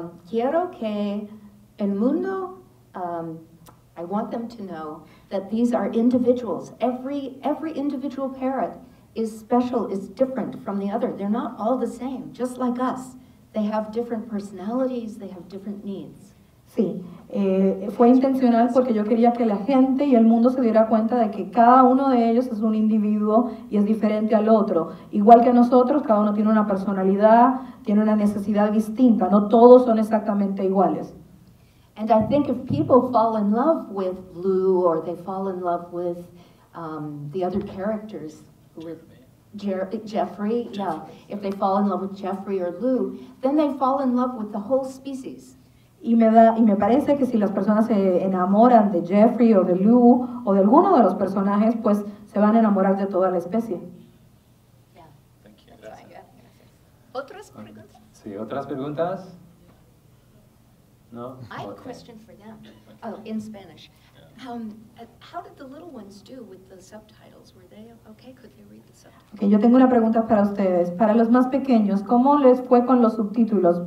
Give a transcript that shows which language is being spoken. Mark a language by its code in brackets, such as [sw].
[es] Quiero que el mundo, [en] I want them to know that these are individuals. Every individual parrot is special, is different from the other. They're not all the same, just like us. They have different personalities, they have different needs. [es] Sí, fue intencional porque yo quería que la gente y el mundo se diera cuenta de que cada uno de ellos es un individuo y es diferente al otro. Igual que nosotros, cada uno tiene una personalidad, tiene una necesidad distinta, no todos son exactamente iguales. [en] And I think if people fall in love with Lou or they fall in love with the other characters, Jeffrey, yeah, if they fall in love with Jeffrey or Lou, then they fall in love with the whole species. [es] Y me parece que si las personas se enamoran de Jeffrey o de Lou o de alguno de los personajes, pues se van a enamorar de toda la especie. ¿Otras preguntas? Sí, ¿otras preguntas? No. [en] I have a question for them. Oh, in Spanish. How did the little ones do with the subtitles? Were they okay? Could they read the subtitles? [es] Okay, yo tengo una pregunta para ustedes. Para los más pequeños, ¿cómo les fue con los subtítulos?